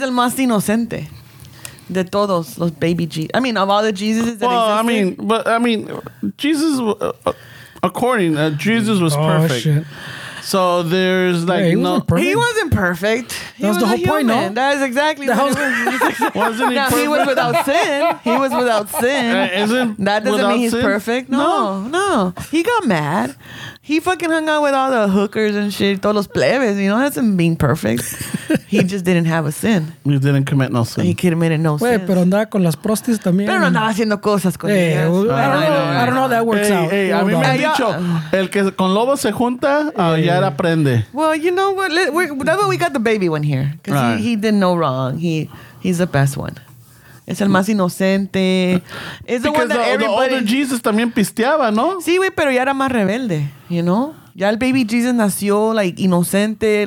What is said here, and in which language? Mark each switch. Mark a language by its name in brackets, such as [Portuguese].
[Spanish] Es el más inocente de todos los baby Jesus. [English] I mean, of all the Jesuses that existed. Well, I mean, but I mean, Jesus, according, Jesus was perfect. Oh, shit. So there's like he wasn't perfect. That's the whole point. No, that is exactly that what was, he was. Wasn't he? Now, he was without sin. He was without sin. That doesn't mean he's perfect. No. He got mad. He fucking hung out with all the hookers and shit. [Spanish] Todos los plebes. [English] You know, that doesn't mean perfect. He just didn't have a sin. He didn't commit no sin. He committed no sin. Wait, [Spanish] pero andaba con las prostis también. Pero andaba haciendo cosas con ellas. [English] I don't know how that works out. [Spanish] Hey, a mí me han dicho, el que con lobos se junta, ya era prende. [English] Well, you know what? That's why we got the baby one here. Because right. he did no wrong. He's the best one. [Spanish] Es el más inocente. Es el más inocente. Porque el older Jesus también pisteaba, ¿no? Sí, güey, pero ya era más rebelde, [English] you know? [Spanish] Ya el baby Jesus nació, like, inocente.